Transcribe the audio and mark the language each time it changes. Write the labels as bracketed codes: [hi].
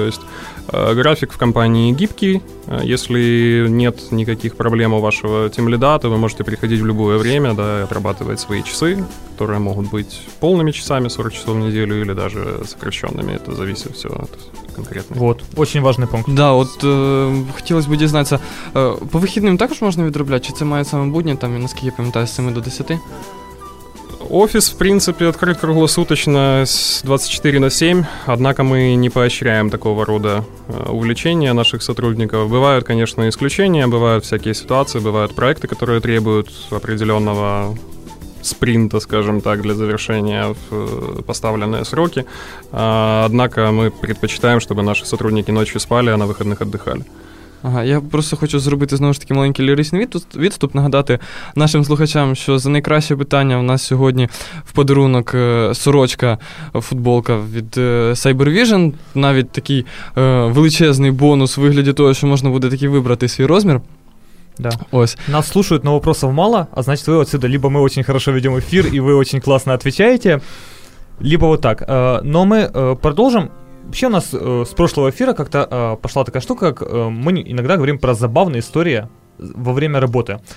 [ru] То есть график в компании гибкий. Если нет никаких проблем у вашего тимлида, то вы можете приходить в любое время, да, и отрабатывать свои часы, которые могут быть полными часами, 40 часов в неделю, или даже сокращенными. Это зависит все от конкретных. Вот, очень важный пункт. [uk] Да, вот хотілося б дізнатися, по вихідним також можна відробляти, чи це має саме будні, там, наскільки я пам'ятаю, з 7 до 10? [ru] Офис, в принципе, открыт круглосуточно с 24 на 7, однако мы не поощряем такого рода увлечения наших сотрудников. Бывают, конечно, исключения, бывают всякие ситуации, бывают проекты, которые требуют определенного спринта, скажем так, для завершения в поставленные сроки. Однако мы предпочитаем, чтобы наши сотрудники ночью спали, а на выходных отдыхали. [uk] Ага, я просто хочу зробити знову ж таки маленький ліричний відступ, нагадати нашим слухачам, що за найкраще питання у нас сьогодні в подарунок сорочка, футболка від CyberVision, навіть такий величезний бонус у вигляді того, що можна буде таки вибрати свій розмір. Да. Ось. [ru] Нас слушают, но вопросов мало, а значит вы отсюда, либо мы очень хорошо ведем эфир и вы очень классно отвечаете, либо вот так. Но мы продолжим. Вообще у нас с прошлого эфира как-то пошла такая штука, как мы иногда говорим про забавные истории во время работы.